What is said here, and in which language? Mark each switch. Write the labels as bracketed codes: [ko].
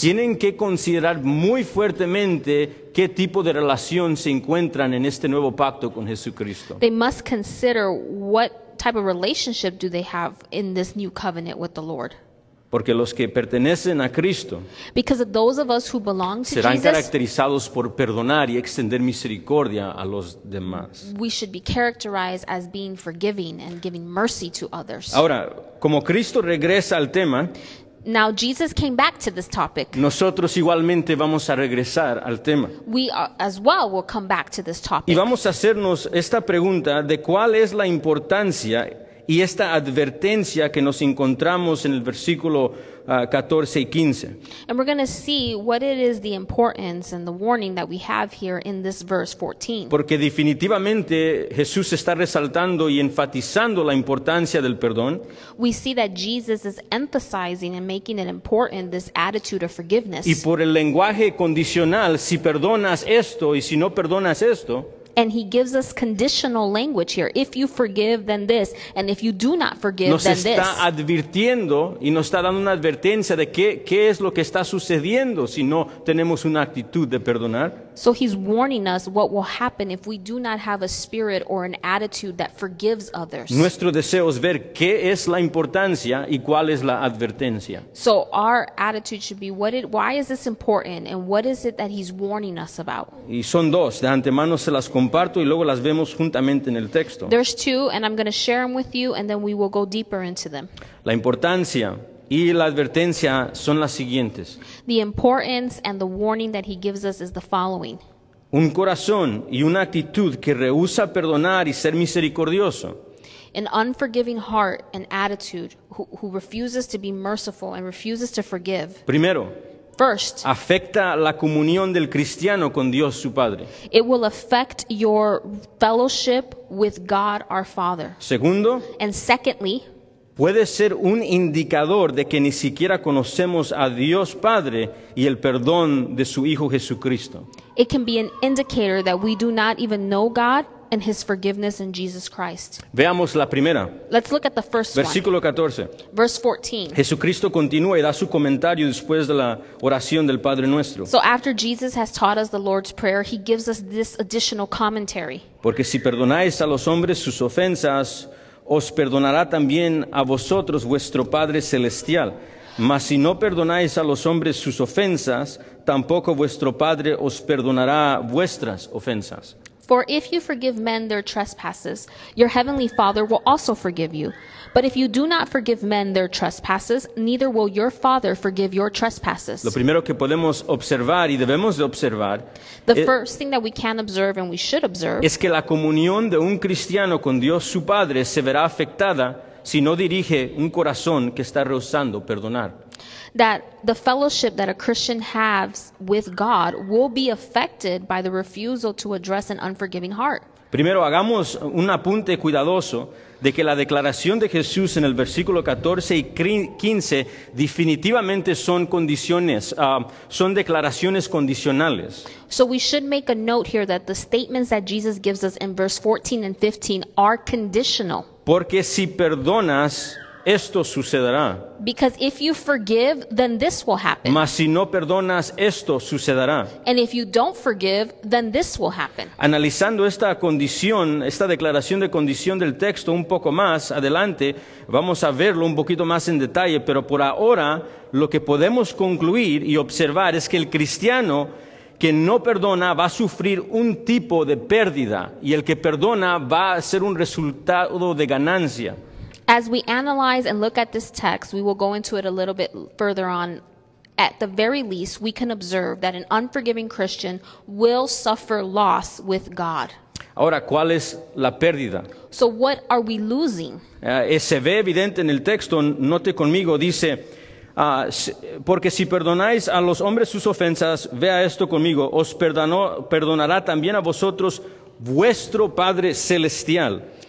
[es] Tienen que considerar muy fuertemente qué tipo de relación se encuentran en este nuevo pacto con Jesucristo. [en] They must consider what type of relationship do they have in this new covenant with the Lord. [es] Porque los que pertenecen a Cristo, [en] because of those of us who belong to [es] serán [en] Jesus, [es] caracterizados por perdonar y extender misericordia a los demás. [en] We should be characterized as being forgiving and giving mercy to others. [es] Ahora, como Cristo regresa al tema, [en] now Jesus came back to this topic. [es] Nosotros igualmente vamos a regresar al tema. [en] We as well will come back to this topic. [es] Y vamos a hacernos esta pregunta de cuál es la importancia y esta advertencia que nos encontramos en el versículo 14 y 15. [en] And we're going to see what it is the importance and the warning that we have here in this verse 14. [es] Porque definitivamente Jesús está resaltando y enfatizando la importancia del perdón. [en] We see that Jesus is emphasizing and making it important, this attitude of forgiveness. [es] Y por el lenguaje condicional, si perdonas esto y si no perdonas esto, [en] and he gives us conditional language here. If you forgive, then this. And if you do not forgive, then this. [es] Nos está advirtiendo y nos está dando una advertencia de qué es lo que está sucediendo si no tenemos una actitud de perdonar. [en] So he's warning us what will happen if we do not have a spirit or an attitude that forgives others. [es] Nuestro deseo es ver qué es la importancia y cuál es la advertencia. [en] So our attitude should be, why is this important and what is it that he's warning us about? [es] Y son dos, de antemano se las comparto y luego las vemos juntamente en el texto. [en] There's two and I'm going to share them with you and then we will go deeper into them. [es] La importancia y la advertencia son las siguientes. [en] The importance and the warning that he gives us is the following. [es] Un corazón y una actitud que rehúsa perdonar y ser misericordioso. [en] An unforgiving heart and attitude who refuses to be merciful and refuses to forgive. [es] Primero. [en] First. [es] Afecta la comunión del cristiano con Dios su Padre. [en] It will affect your fellowship with God our Father. [es] Segundo. [en] And secondly. [es] puede ser un indicador de que ni siquiera conocemos a Dios Padre y el perdón de su Hijo Jesucristo. [en] It can be an indicator that we do not even know God and His forgiveness in Jesus Christ. [es] Veamos la primera. [en] Let's look at the first [es] Versículo [en] one. [es] 14. [en] Verse 14. [es] Jesucristo continúa y da su comentario después de la oración del Padre Nuestro. [en] So after Jesus has taught us the Lord's Prayer, He gives us this additional commentary. [es] Porque si perdonáis a los hombres sus ofensas, os perdonará también a vosotros vuestro Padre Celestial. Mas si no perdonáis a los hombres sus ofensas, tampoco vuestro Padre os perdonará vuestras ofensas. [en] For if you forgive men their trespasses, your heavenly Father will also forgive you. But if you do not forgive men their trespasses, neither will your Father forgive your trespasses. [es] Lo primero que podemos observar y debemos de observar, [en] the first thing that we can observe and we should observe, [es] es que la comunión de un cristiano con Dios su Padre se verá afectada si no dirige un corazón que está rehusando perdonar. [en] That the fellowship that a Christian has with God will be affected by the refusal to address an unforgiving heart. [es] Primero, hagamos un apunte cuidadoso de que la declaración de Jesús en el versículo 14 y 15 definitivamente son condiciones, son declaraciones condicionales. [en] So we should make a note here that the statements that Jesus gives us in verse 14 and 15 are conditional. [es] Porque si perdonas, esto sucederá. [en] Because if you forgive, then this will happen. [es] Mas si no perdonas, esto sucederá. [en] And if you don't forgive, then this will happen. [es] Analizando esta condición, esta declaración de condición del texto un poco más adelante, vamos a verlo un poquito más en detalle, pero por ahora lo que podemos concluir y observar es que el cristiano que no perdona va a sufrir un tipo de pérdida y el que perdona va a ser un resultado de ganancia. [en] As we analyze and look at this text, we will go into it a little bit further on. At the very least, we can observe that an unforgiving Christian will suffer loss with God. [es] Ahora, ¿cuál es la pérdida? [en] So what are we losing? [es] Se ve evidente en el texto, note conmigo, dice, porque si perdonáis a los hombres sus ofensas, vea esto conmigo, os perdonará también a vosotros vuestro Padre Celestial.